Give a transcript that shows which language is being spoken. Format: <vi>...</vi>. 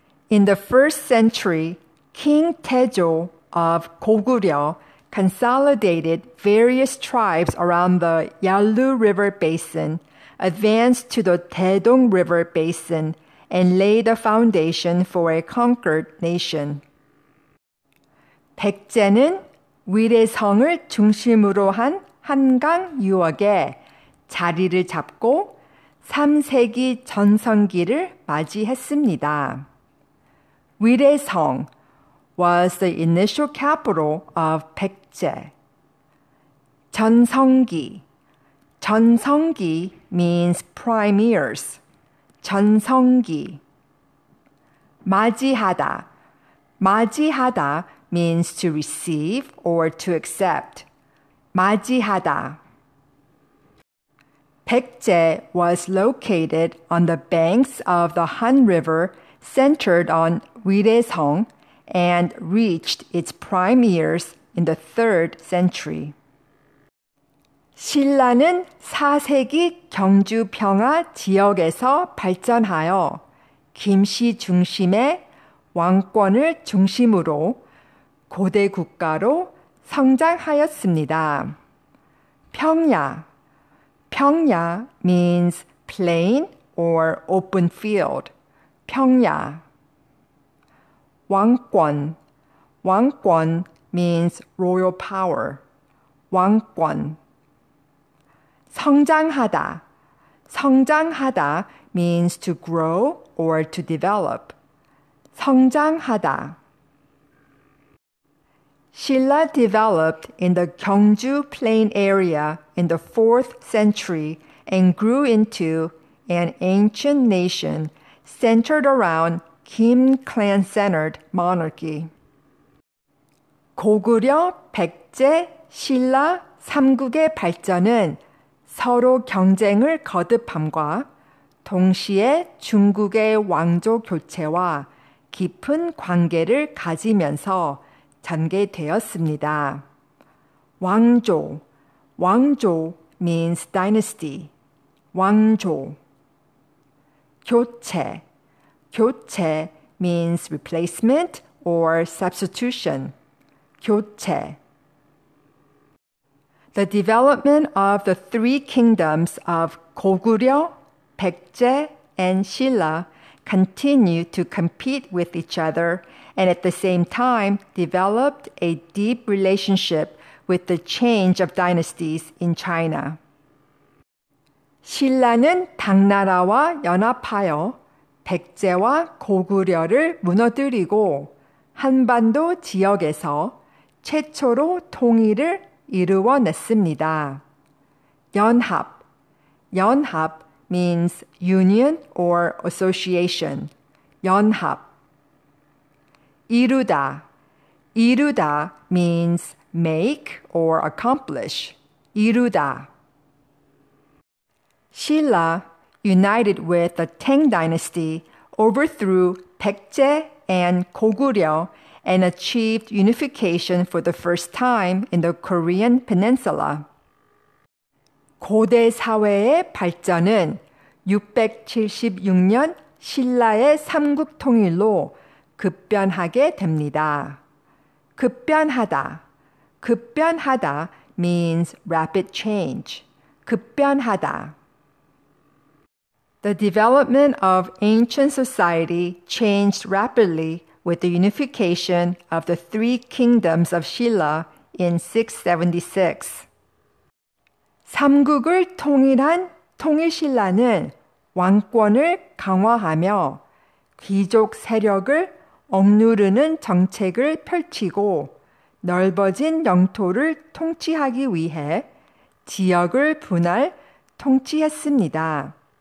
<en>In the first century, King Taejo of Goguryeo consolidated various tribes around the Yalu River Basin, advanced to the Taedong River Basin, and laid the foundation for a conquered nation.</en> <ko>백제는 위례성을 중심으로 한 한강 유역에 자리를 잡고 3세기 전성기를 맞이했습니다.</ko> <en>위례성 was the initial capital of 백제.</en> <ko>전성기.</ko> <en>전성기 means prime years.</en> <ko>전성기. 맞이하다.</ko> <en>맞이하다 means to receive or to accept. 맞이하다. Baekje was located on the banks of the Han River, centered on Wirehaesong, and reached its prime years in the 3rd century.</en> <ko>신라는 4세기 경주 평화 지역에서 발전하여 김씨 중심의 왕권을 중심으로 고대 국가로 성장하였습니다. 평야.</ko> <en>Pyongya means plain or open field.</en> <ko>Pyongya. 왕권.</ko> <en>왕권 means royal power.</en> <ko>왕권. 성장하다.</ko> <en>성장하다 means to grow or to develop.</en> <ko>성장하다.</ko> <en>신라 developed in the Gyeongju Plain area in the 4th century and grew into an ancient nation centered around Kim clan-centered monarchy.</en> <ko>고구려, 백제, 신라 3국의 발전은 서로 경쟁을 거듭함과 동시에 중국의 왕조 교체와 깊은 관계를 가지면서 전개되었습니다. 왕조.</ko> <en>왕조 means dynasty.</en> <ko>왕조. 교체.</ko> <en>교체 means replacement or substitution. 교체. The development of the three kingdoms of 고구려, 백제, and 신라continue to compete with each other and at the same time developed a deep relationship with the change of dynasties in China.</en> <ko>신라는 당나라와 연합하여 백제와 고구려를 무너뜨리고 한반도 지역에서 최초로 통일을 이루어냈습니다. 연합.</ko> <en>연합 means union or association.</en> <ko>연합. 이루다.</ko> <en>이루다 means make or accomplish.</en> <ko>이루다.</ko> <en>신라, united with the Tang Dynasty, overthrew 백제 and 고구려 and achieved unification for the first time in the Korean Peninsula.</en> <ko>고대 사회의 발전은 676년 신라의 삼국 통일로 급변하게 됩니다. 급변하다.</ko> <en>급변하다 means rapid change.</en> <ko>급변하다.</ko> <en>The development of ancient society changed rapidly with the unification of the three kingdoms of Shilla in 676.</en> <ko>삼국을 통일한 통일신라는 왕권을 강화하며 귀족 세력을 억누르는 정책을 펼치고 넓어진 영토를 통치하기 위해 지역을 분할 통치했습니다.</ko>